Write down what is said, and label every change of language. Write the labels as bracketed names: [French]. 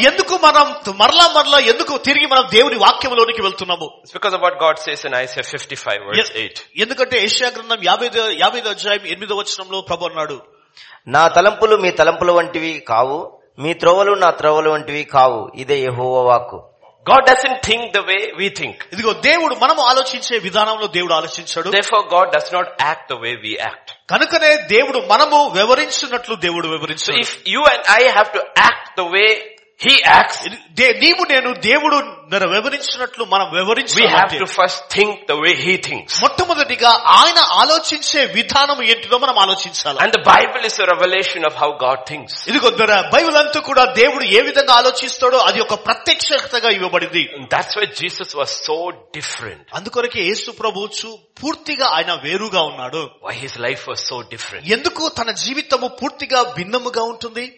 [Telugu] ఎందుకు మనం మరలా మరలా ఎందుకు తిరిగి మనం దేవుని వాక్యములోనికి వెళ్తున్నాము? [English] It's because of what God says in Isaiah 55 verse 8. [Telugu] ఎందుకంటే యెషయా గ్రంథం 50వ అధ్యాయం 8వ వచనంలో ప్రభువు అన్నాడు, నా తలంపులు మీ తలంపుల వంటివి కావు, మీ త్రోవలు నా త్రోవలు వంటివి కావు. ఇదే యెహోవా వాక్కు. [English] God doesn't think the way we think. [Telugu] ఇదిగో దేవుడు మనం ఆలోచించే విధానంలో దేవుడు ఆలోచించాడు. [English] Therefore God does not act the way we act. [Telugu] కనుకనే దేవుడు మనము వివరించినట్లు దేవుడు వివరించాడు. [English] If you and I have to act the way he acts, [Telugu] నీవు నేను దేవుడు వివరించినట్లు మనం వివరించాలి. [English] We have to first think the way he thinks. [Telugu] మొట్టమొదటిగా ఆయన ఆలోచించే విధానం ఏంటిదో మనం ఆలోచించాలి. [English] And the Bible is a revelation of how God thinks. [Telugu] ఇదిగో బైబిల్ అంతా కూడా దేవుడు ఏ విధంగా ఆలోచిస్తాడో అది ఒక ప్రత్యక్షతగా ఇవ్వబడింది. [English] That's why Jesus was so different. [Telugu] అందుకొరకే యేసు ప్రభువు పూర్తిగా ఆయన వేరుగా ఉన్నాడు. [English] Why his life was so different. [Telugu] ఎందుకు తన జీవితము పూర్తిగా భిన్నముగా ఉంటుంది?